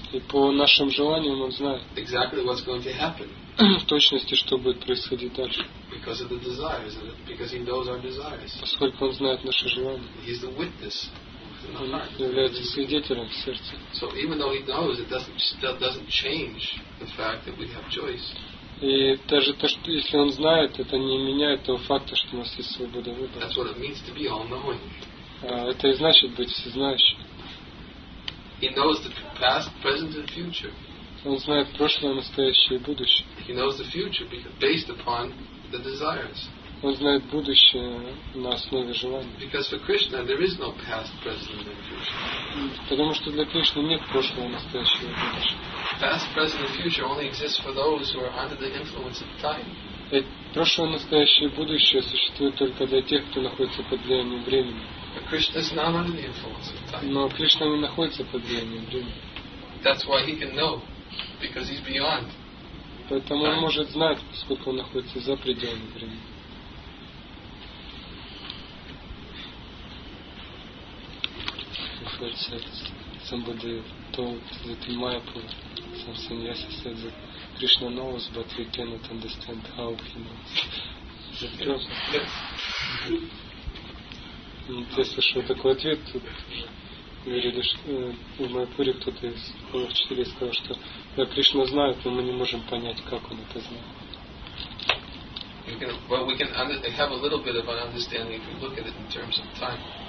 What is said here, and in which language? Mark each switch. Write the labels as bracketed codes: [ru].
[ru] и по нашим желаниям он знает [en] exactly what's going to happen. [ru] В точности, что будет происходить дальше. [en] Because of the desires, because he knows our desires. [ru] Поскольку он знает наши желания. [en] He's the witness. [ru] Он является свидетелем в сердце. [en] So even though he knows, it doesn't change the fact that we have choice. [ru] И даже то, что если он знает, это не меняет того факта, что у нас есть свобода выбора. [en] That's what it means to be all-knowing. [ru] Это и значит быть всезнающим. [en] He knows the past, present and future. [ru] Он знает прошлое, настоящее и будущее. [en] He knows the future based upon the desires. [ru] Он знает будущее на основе желаний. [en] Because for Krishna there is no past, present and future. [ru] Потому что для Кришны нет прошлого, настоящего и будущего. [en] Past, present and future only exists for those who are under the influence of time. [ru] Прошлое, настоящее и будущее существует только для тех, кто находится под влиянием времени. [en] But Krishna is not under the influence of time. [ru] Но Кришна не находится под влиянием времени. [en] That's why he can know, because he's beyond. [ru] Поэтому он может знать, поскольку он находится за пределами времени. [en] Said, somebody told that in Mayapur some sannyasi said that Krishna knows, but we cannot understand how he knows. Is that true? Yes. [ru] Интересно, что такой ответ. Тут говорили, что в Майапуре кто-то из учителей сказал, что да, Кришна знает, но мы не можем понять, как он это знает. [en] We can have a little bit of an understanding if we look at it in terms of time.